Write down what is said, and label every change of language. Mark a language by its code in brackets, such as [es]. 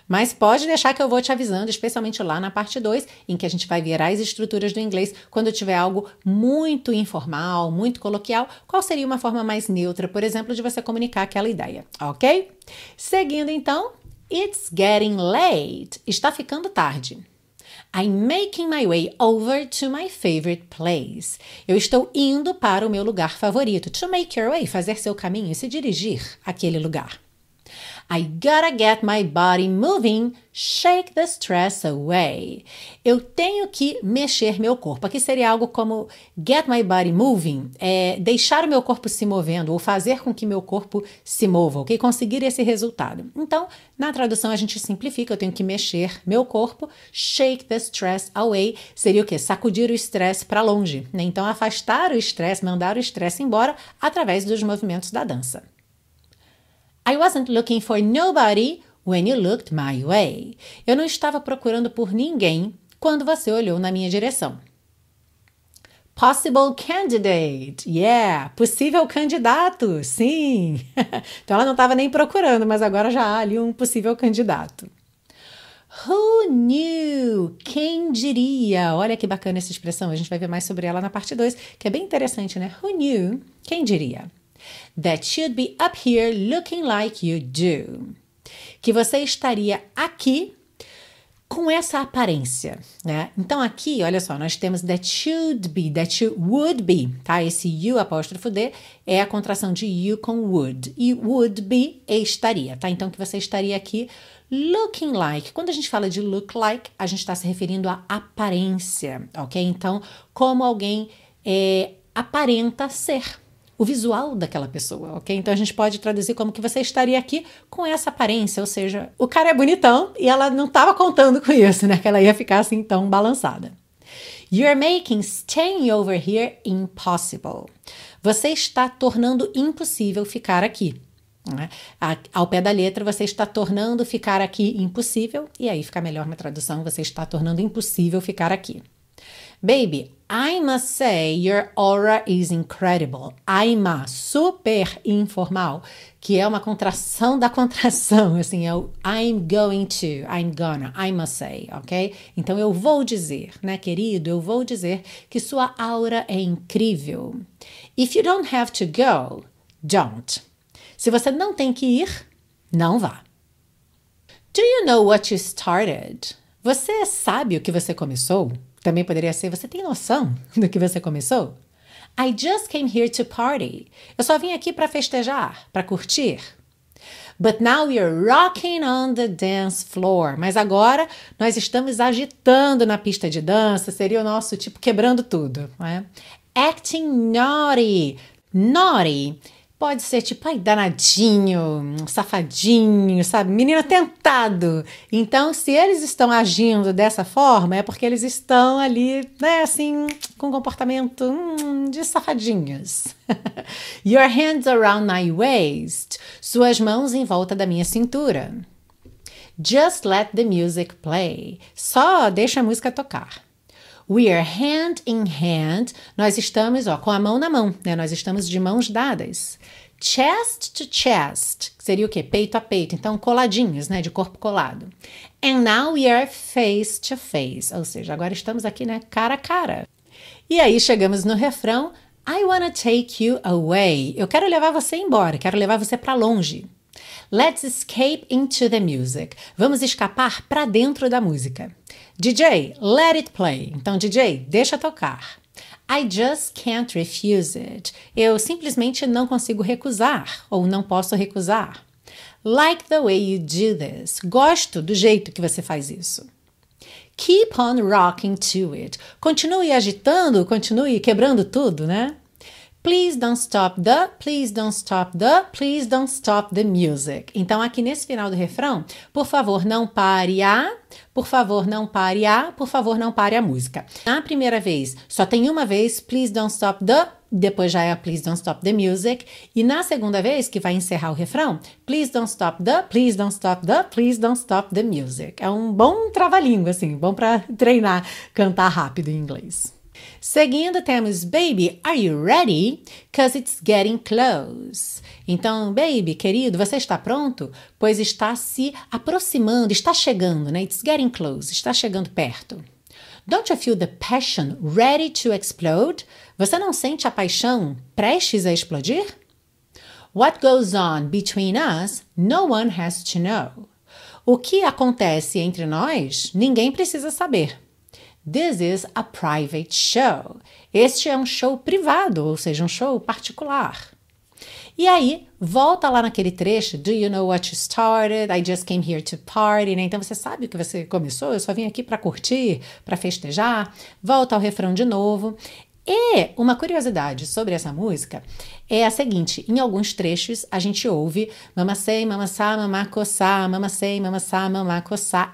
[pt] Mas pode deixar que eu vou te avisando, especialmente lá na parte 2, em que a gente vai ver as estruturas do inglês, quando tiver algo muito informal, muito coloquial, qual seria uma forma mais neutra, por exemplo, de você comunicar aquela ideia, ok? Seguindo, então, [en] it's getting late. [pt] Está ficando tarde. [en] I'm making my way over to my favorite place. [pt] Eu estou indo para o meu lugar favorito. [en] To make your way, [pt] fazer seu caminho, se dirigir àquele lugar. [en] I gotta get my body moving, shake the stress away. [pt] Eu tenho que mexer meu corpo. Aqui seria algo como [en] get my body moving, [pt] é deixar o meu corpo se movendo ou fazer com que meu corpo se mova, ok? Conseguir esse resultado. Então, na tradução a gente simplifica, eu tenho que mexer meu corpo, [en] shake the stress away, [pt] seria o quê? Sacudir o estresse para longe, né? Então, afastar o estresse, mandar o estresse embora através dos movimentos da dança. [en] I wasn't looking for nobody when you looked my way. [pt] Eu não estava procurando por ninguém quando você olhou na minha direção. [en] Possible candidate. Yeah, [pt] possível candidato. Sim. Então ela não estava nem procurando, mas agora já há ali um possível candidato. [en] Who knew? [pt] Quem diria? Olha que bacana essa expressão. A gente vai ver mais sobre ela na parte 2, que é bem interessante, né? Who knew? Quem diria? [en] that you'd be up here looking like you do. [pt] Que você estaria aqui com essa aparência, né? Então, aqui, olha só, nós temos [en] that should be, that you would be, [pt] tá? Esse you apóstrofo D é a contração de you com would. E would be é estaria, tá? Então, que você estaria aqui [en] looking like. [pt] Quando a gente fala de look like, a gente está se referindo à aparência, ok? Então, como alguém aparenta ser. O visual daquela pessoa, ok? Então, a gente pode traduzir como que você estaria aqui com essa aparência, ou seja, o cara é bonitão e ela não estava contando com isso, né? Que ela ia ficar assim tão balançada. [en] You're making staying over here impossible. [pt] Você está tornando impossível ficar aqui, né? Ao pé da letra, você está tornando ficar aqui impossível, e aí fica melhor na tradução, você está tornando impossível ficar aqui. [en] Baby, I must say your aura is incredible. [pt] I must, super informal, que é uma contração da contração, assim, é o [en] I'm going to, I'm gonna, I must say, [pt] ok? Então, eu vou dizer, né, querido, eu vou dizer que sua aura é incrível. [en] If you don't have to go, don't. [pt] Se você não tem que ir, não vá. [en] Do you know what you started? [pt] Você sabe o que você começou? Também poderia ser, você tem noção do que você começou? [en] I just came here to party. [pt] Eu só vim aqui para festejar, para curtir. [en] But now we're rocking on the dance floor. [pt] Mas agora nós estamos agitando na pista de dança. Seria o nosso tipo quebrando tudo, não é? [en] Acting naughty. [pt] Naughty pode ser tipo, ai, danadinho, safadinho, sabe? Menino tentado. Então, se eles estão agindo dessa forma, é porque eles estão ali, né, assim, com comportamento de safadinhos. [en] Your hands around my waist. [pt] Suas mãos em volta da minha cintura. [en] Just let the music play. [pt] Só deixa a música tocar. [en] We are hand in hand. [pt] Nós estamos, ó, com a mão na mão, né? Nós estamos de mãos dadas. [en] Chest to chest. [pt] Seria o quê? Peito a peito. Então, coladinhos, né? De corpo colado. [en] And now we are face to face. [pt] Ou seja, agora estamos aqui, né? Cara a cara. E aí, chegamos no refrão. [en] I wanna take you away. [pt] Eu quero levar você embora. Quero levar você pra longe. [en] Let's escape into the music. [pt] Vamos escapar pra dentro da música. DJ, [en] let it play. [pt] Então, DJ, deixa tocar. [en] I just can't refuse it. [pt] Eu simplesmente não consigo recusar, ou não posso recusar. [en] Like the way you do this. [pt] Gosto do jeito que você faz isso. [en] Keep on rocking to it. [pt] Continue agitando, continue quebrando tudo, né? [en] Please don't stop the, please don't stop the, please don't stop the music. [pt] Então, aqui nesse final do refrão, por favor, não pare a, por favor, não pare a, por favor, não pare a música. Na primeira vez, só tem uma vez, [en] please don't stop the, [pt] depois já é a [en] please don't stop the music. [pt] E na segunda vez, que vai encerrar o refrão, [en] please don't stop the, please don't stop the, please don't stop the music. [pt] É um bom trava-língua, assim, bom para treinar, cantar rápido em inglês. Seguindo, temos, [en] baby, are you ready? 'Cause it's getting close. [pt] Então, baby, querido, você está pronto? Pois está se aproximando, está chegando, né? [en] It's getting close, [pt] está chegando perto. [en] Don't you feel the passion ready to explode? [pt] Você não sente a paixão prestes a explodir? [en] What goes on between us, no one has to know. [pt] O que acontece entre nós, ninguém precisa saber. [en] This is a private show. [pt] Este é um show privado, ou seja, um show particular. E aí, volta lá naquele trecho. [en] Do you know what you started? I just came here to party. [pt] Né? Então, você sabe o que você começou? Eu só vim aqui para curtir, para festejar. Volta ao refrão de novo. E uma curiosidade sobre essa música é a seguinte. Em alguns trechos, a gente ouve mama say, mama sa, mama coça, mama say, mama sa, mama coça.